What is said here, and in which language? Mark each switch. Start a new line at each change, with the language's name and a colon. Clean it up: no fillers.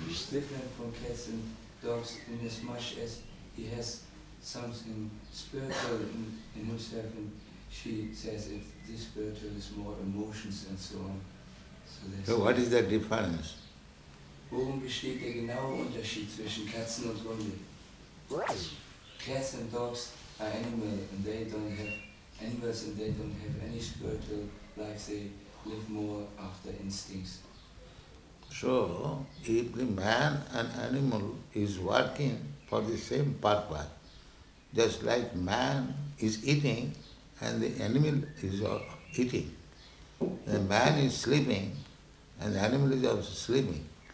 English: Different from cats and dogs in as much as he has something spiritual in himself, and she says if this spiritual is more emotions and so on. So what is the difference?
German: Worum besteht der genaue Unterschied zwischen Katzen und Hunden?
English: Cats and dogs are animals and they don't have animals and they don't have any spiritual life. They live more after instincts. So if the man and animal is working for the same purpose, just like man is eating and the animal is eating, the man is sleeping and the animal is also sleeping.